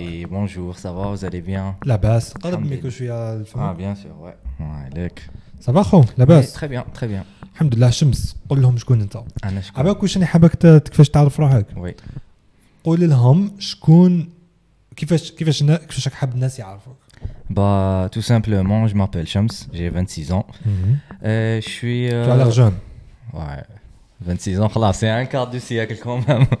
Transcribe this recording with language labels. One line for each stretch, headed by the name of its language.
French: Et bonjour, ça va, vous allez bien? La basse. Ah, bien sûr, ouais. Ouais, ça va,
Arabic: خو,
French: la basse. Oui, très bien, très bien.
Arabic: Alhamdoulilah, Shams, قول لهم شكون انت. أنا شكون. على بالك واش أنا حابك كيفاش تعرف روحك.
French: Oui.
Arabic: قول لهم شكون كيفاش كيفاش راك حاب الناس يعرفوك.
French: Bah, tout simplement, je m'appelle Shams, j'ai 26 ans. Mm-hmm. Je suis. Tu as l'air jeune. Ouais. 26 ans,
Arabic: خلاص,
French: c'est un quart du siècle quand même.